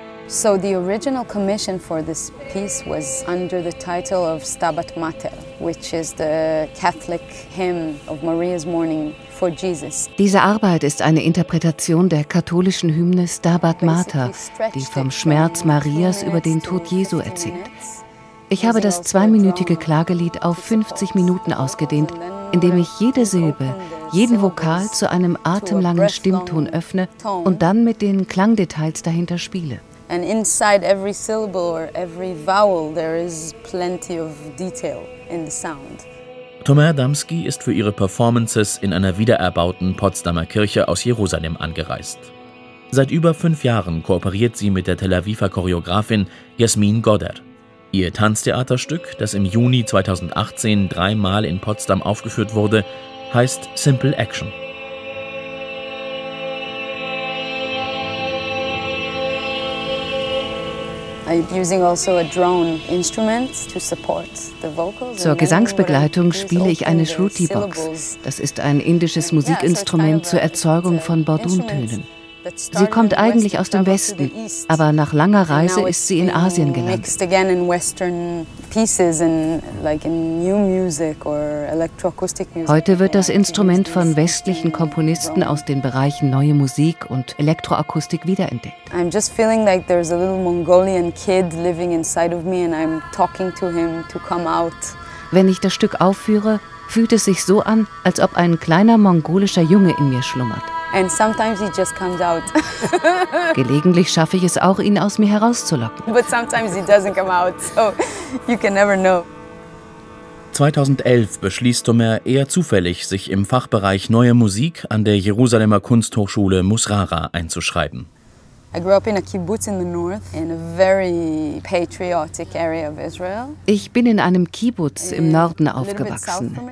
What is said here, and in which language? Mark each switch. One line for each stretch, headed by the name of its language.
English: So the original commission for this piece was under the title of Stabat Mater, which is the Catholic hymn of Maria's mourning for Jesus.
German: Diese Arbeit ist eine Interpretation der katholischen Hymne Stabat Mater, die vom Schmerz Marias über den Tod Jesu erzählt. Ich habe das zweiminütige Klagelied auf 50 Minuten ausgedehnt, indem ich jede Silbe, jeden Vokal zu einem atemlangen Stimmton öffne und dann mit den Klangdetails dahinter spiele.
English: And inside every syllable or every vowel there is plenty of detail in the sound.
German: Tomer Adamski ist für ihre Performances in einer wiedererbauten Potsdamer Kirche aus Jerusalem angereist. Seit über 5 Jahren kooperiert sie mit der Tel Aviver Choreografin Jasmin Goder. Ihr Tanztheaterstück, das im Juni 2018 3-mal in Potsdam aufgeführt wurde, heißt Simple Action.
English: Using also a drone instrument to support the vocals.
German: Zur Gesangsbegleitung spiele ich eine Shruti-Box. Das ist ein indisches Musikinstrument zur Erzeugung von Bordun-Tönen. Sie kommt eigentlich aus dem Westen, aber nach langer Reise ist sie in Asien gelandet. Heute wird das Instrument von westlichen Komponisten aus den Bereichen Neue Musik und Elektroakustik wiederentdeckt.
English: I'm just feeling like there's a little Mongolian kid living inside of me and I'm talking to him to come out.
German: Wenn ich das Stück aufführe, fühlt es sich so an, als ob ein kleiner mongolischer Junge in mir schlummert.
English: And sometimes he just comes out.
German: Gelegentlich schaffe ich es auch, ihn aus mir herauszulocken.
English: But sometimes he doesn't come out, so you can never know.
German: 2011 beschließt Tomer eher zufällig, sich im Fachbereich Neue Musik an der Jerusalemer Kunsthochschule Musrara einzuschreiben.
English: I grew up in a kibbutz in the north, in a very patriotic area of Israel.
German: Ich bin in einem Kibbutz im Norden aufgewachsen.